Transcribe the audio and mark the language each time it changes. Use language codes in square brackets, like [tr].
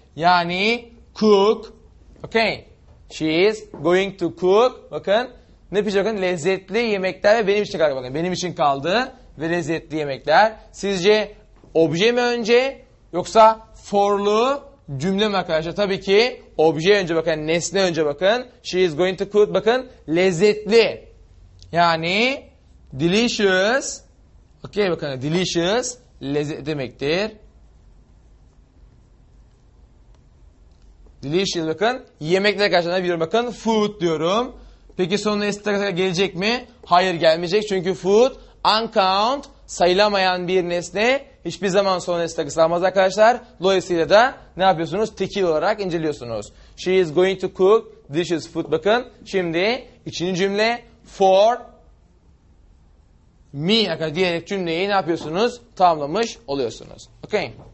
[en] Yani cook. Okay. She is going to cook. [tr] Bakın ne pişirecek? Bakın lezzetli yemekler ve benim için kaldı. Bakın benim için kaldı. Ve lezzetli yemekler. Sizce obje mi önce yoksa forlu cümle mi arkadaşlar? Tabii ki obje önce bakın, nesne önce bakın. [en] She is going to cook [tr] bakın lezzetli. Yani delicious. Okay bakın delicious lezzet demektir. Delicious bakın. Yemekle karşılığında bir bakın. Food diyorum. Peki sonuna estetikle gelecek mi? Hayır, gelmeyecek. Çünkü food uncount, sayılamayan bir nesne. Hiçbir zaman son estetikle almaz arkadaşlar. Dolayısıyla da ne yapıyorsunuz? Tekil olarak inceliyorsunuz. [en] She is going to cook delicious food. [tr] Bakın şimdi ikinci cümle for me arkadaşlar diyerek cümleyi ne yapıyorsunuz? Tamamlamış oluyorsunuz. Okay.